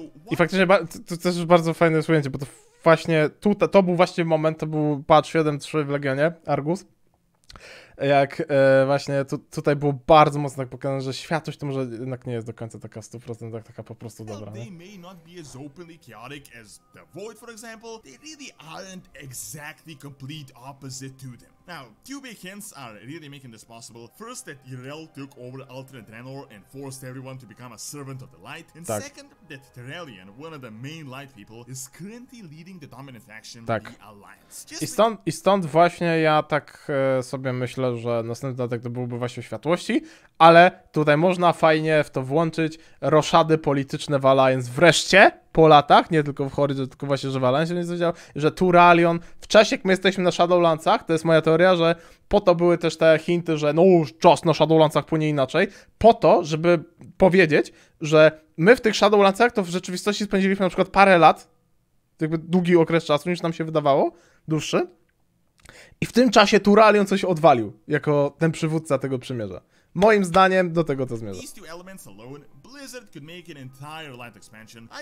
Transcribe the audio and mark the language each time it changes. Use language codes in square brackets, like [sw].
[pl] I faktycznie to też jest bardzo fajne ujęcie, bo to właśnie tutaj, to był właśnie moment, to był patch 7.3 w Legionie, Argus. Jak właśnie tutaj było bardzo mocno tak pokazane, że światłość to może jednak nie jest do końca taka 100% taka po prostu dobra. [en] They may not be as openly chaotic as the Void, for example. They really aren't exactly complete opposite to them. Now, two big hints are really making this possible. First, that Yrel took over Alternate Draenor and forced everyone to become a servant of the light. And second, that Tyrellion, one of the main light people, is currently leading the dominant faction, the Alliance. [pl] I stąd właśnie ja tak sobie myślę, że następny dodatek to byłby właśnie światłości, ale tutaj można fajnie w to włączyć roszady polityczne w Alliance wreszcie. Po latach, nie tylko w Horizon, tylko właśnie, że w Alliance nie zdziwiał, że Turalion, w czasie jak my jesteśmy na Shadowlandsach, to jest moja teoria, że po to były też te hinty, że no już czas na Shadowlandsach płynie inaczej, po to, żeby powiedzieć, że my w tych Shadowlandsach to w rzeczywistości spędziliśmy na przykład parę lat, jakby długi okres czasu niż nam się wydawało, dłuższy, i w tym czasie Turalion coś odwalił, jako ten przywódca tego przymierza. Moim zdaniem do tego to zmierza. [en] These two elements alone, Blizzard could make an entire light expansion.